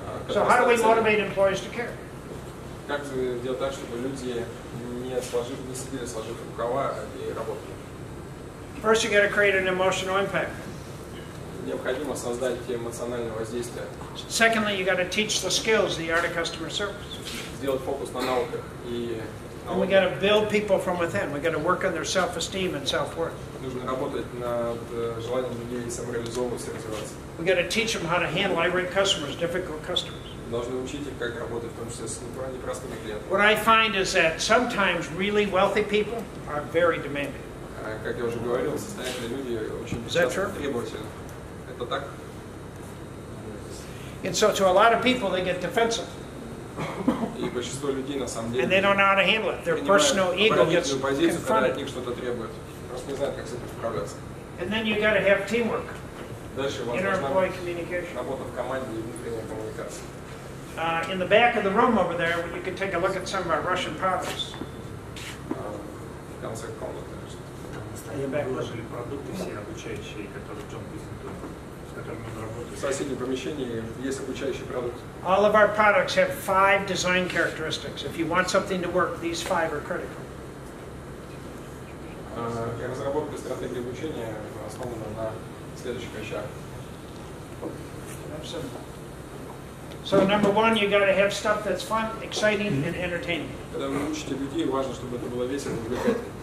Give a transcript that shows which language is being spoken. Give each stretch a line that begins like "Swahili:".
English: So how do we motivate employees to care?
Russian: Как сделать так, чтобы люди не сидели сложив рукава и работали?
English: First, you got to create an emotional impact.
Russian: Необходимо создать эмоциональное воздействие.
English: Secondly, you got to teach the skills, the art of customer service.
Russian: Сделать фокус на навыках и
English: And we got to build people from within. We got to work on their self-esteem and self-worth. We got to teach them how to handle irate customers, difficult customers. What I find is that sometimes really wealthy people are very demanding.
Russian: Как я уже говорил, состоятельные люди очень часто требовательны.
English: Is that
Russian: это так.
English: And so to a lot of people they get defensive.
Russian: И большинство людей на самом деле.
English: And they don't know how to handle it. Their personal ego gets confronted.
Russian: Когда от них что-то требуют, просто не знают, как с этим справляться.
English: And then you got to have teamwork.
Russian: Дальше
English: interemployee communication.
Russian: Работа в команде и внутренняя коммуникация.
English: In the back of the room over there, you can take a look at some of our Russian products.
Russian: Конце комнаты. Они выложили продукты все обучающие, которые Джон презентует. В соседнем помещении есть обучающий продукт.
English: All of our products have five design characteristics. If you want something to work, these five are critical.
Russian: Я разработал стратегию обучения, основанную на следующих вещах.
English: So number one, you got to have stuff that's fun, exciting, and entertaining.
Russian: Когда вы учите людей, важно, чтобы это было весело и увлекательно.